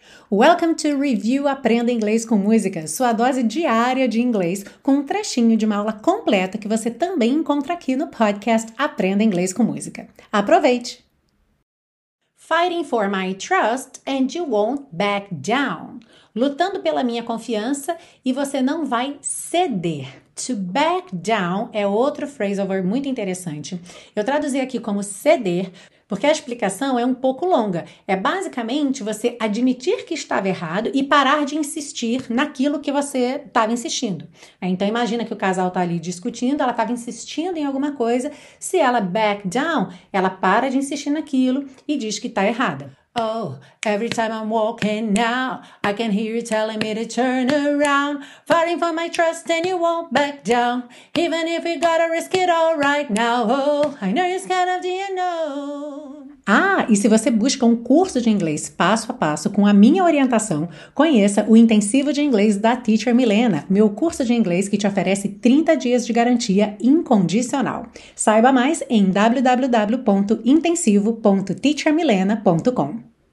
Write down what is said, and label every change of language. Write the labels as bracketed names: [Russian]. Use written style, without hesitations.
[English] Welcome to [Portuguese] Review Aprenda Inglês com Música, sua dose diária de inglês, com um trechinho de uma aula completa que você também encontra aqui no podcast Aprenda Inglês com Música. Aproveite! [English] Fighting for my trust and you won't back down. [Portuguese] Lutando pela minha confiança e você não vai ceder. To back down é outro phrasal verb muito interessante. Eu traduzi aqui como ceder, porque a explicação é um pouco longa. É basicamente você admitir que estava errado e parar de insistir naquilo que você estava insistindo. Então imagina que o casal está ali discutindo, ela estava insistindo em alguma coisa, se ela back down, ela para de insistir naquilo e diz que está errada. [English] Oh, every time I'm walking now, I can hear you telling me to turn around. Fighting for my trust and you won't back down. Even if you gotta risk it all right now. Oh, I know you're scared of the unknown. [Portuguese] Ah, e se você busca um curso de inglês passo a passo com a minha orientação, conheça o Intensivo de Inglês da Teacher Milena, meu curso de inglês que te oferece 30 dias de garantia incondicional. Saiba mais em www.intensivo.teachermilena.com.